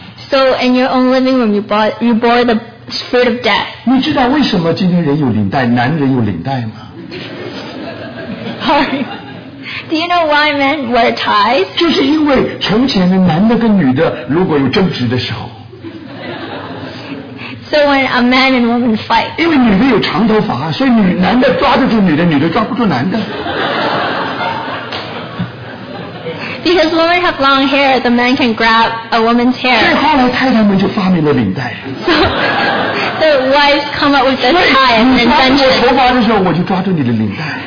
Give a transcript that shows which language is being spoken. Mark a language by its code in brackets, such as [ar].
[en] So in your own living room, you bore the fruit of death. [zh] 你知道为什么今天人有领带，男人有领带吗？ [en] Sorry. Do you know why men wear ties? [zh] 就是因为从前的男的跟女的如果有争执的时候。 [en] So when a man and woman fight. [zh] 因为女的有长头发，所以男的抓得住女的，女的抓不住男的。 [en] Because women have long hair, the men can grab a woman's hair. [zh] 所以后来太太们就发明了领带。 [en] So the wives come up with the tie and invention. [zh] 所以你抓住我头发的时候，我就抓住你的领带。